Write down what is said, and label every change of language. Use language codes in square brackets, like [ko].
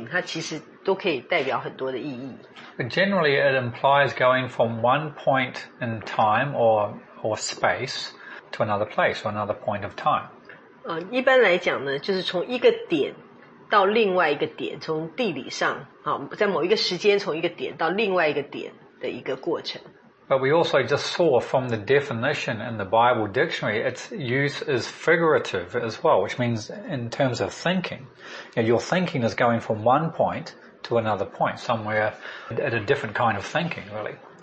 [zh] 不管是中文或者是英文，这个所谓的道路、路径，它其实都可以代表很多的意义。 [en] But generally, it implies going from one point in time or space to another place or another point of time. [zh] 一般来讲呢，就是从一个点。到另外一个点，从地理上，好，在某一个时间，从一个点到另外一个点的一个过程。 [en] But we also just saw from the definition in the Bible dictionary, its use is figurative as well, which means in terms of thinking. You know, your thinking is going from one point to another point, somewhere at a different kind of thinking, really.